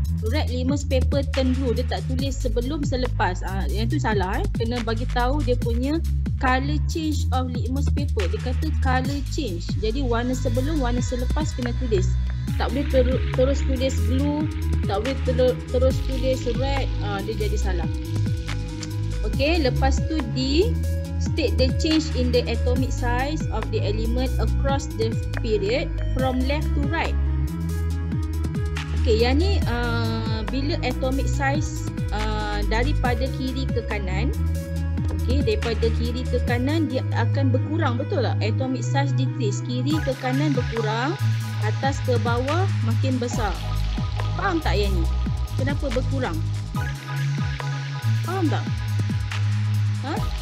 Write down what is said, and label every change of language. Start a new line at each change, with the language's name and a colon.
English: Red litmus paper turn blue.
Malay: Dia tak tulis sebelum selepas. Yang tu salah. Kena bagi tahu dia punya
English: color change of litmus paper.
Malay: Dia kata color change. Jadi warna sebelum, warna selepas kena tulis. Tak boleh terus tulis blue. Tak boleh terus tulis red. Dia jadi salah.
English: Okay, lepas tu D, state the change in the atomic size of the element across the period from left to right.
Malay: Okay, yang ni bila atomic size daripada kiri ke kanan. Okay, daripada kiri ke kanan dia akan berkurang, betul tak?
English: Atomic size decrease,
Malay: kiri ke kanan berkurang, atas ke bawah makin besar. Faham tak yang ni? Kenapa berkurang? Faham tak? Ha?